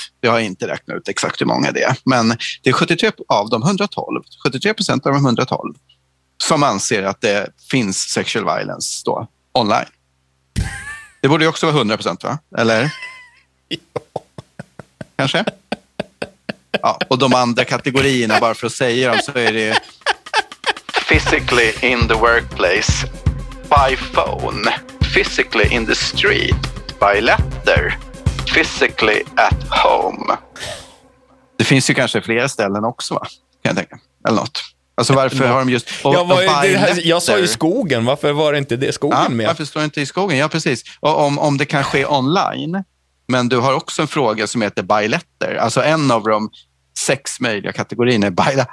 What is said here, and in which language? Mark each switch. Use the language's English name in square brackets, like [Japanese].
[Swedish] Jag har inte räknat ut exakt hur många det är. Men det är 73% av de 112 som anser att det finns [English] sexual violence [Swedish] då, online. Det borde ju också vara 100%, va? Eller? Ja. Kanske? Ja, och de andra kategorierna, bara för att säga dem, så är det [English] physically in the workplace, by phone, physically in the street, by letter, physically at home. [Swedish] Det finns ju kanske flera ställen också, va? Kan jag tänka. Eller något. Alltså, varför har de just... Jag sa ju skogen. Varför var det inte det skogen med? Varför står inte i skogen? Ja, precis. Och om det kan ske online. Men du har också en fråga som heter [English] by letter. [Swedish] Alltså en av de 6 möjliga kategorierna är by letter.